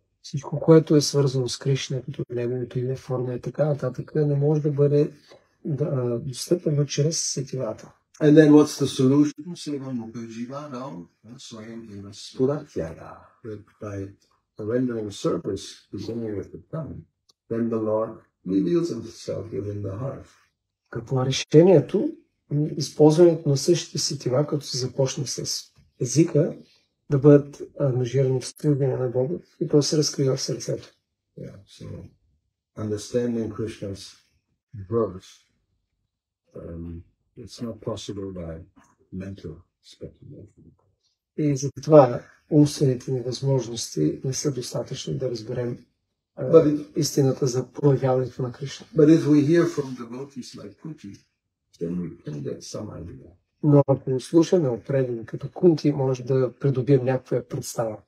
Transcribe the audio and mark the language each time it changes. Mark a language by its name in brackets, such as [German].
[Bulgarian] Всичко, което е свързано с Кришна, като неговото име, форма и така нататък, не може да бъде достъпено чрез сетивата. [English] And then what's the solution? Sevam upajivano, swayam eva spuratyaga. By rendering service, beginning with the tongue, then the Lord reveals himself within the heart. [Bulgarian] Какво е решението? Използването на същите сетива, като се започне с езика, да бъдат ангажирани в служение на Бога и то се разкрива в сърцето. [English] Yeah, so understanding Krishna's birth, it's not possible by mental speculation. [Bulgarian] И затова умствените невъзможности не са достатъчни да разберем истината за проявяването на Кришна. [English] But if we hear from devotees like Kunti, then we can get some idea. [Bulgarian] Но ако слушаме определен като Кунти, може да придобием някаква представа.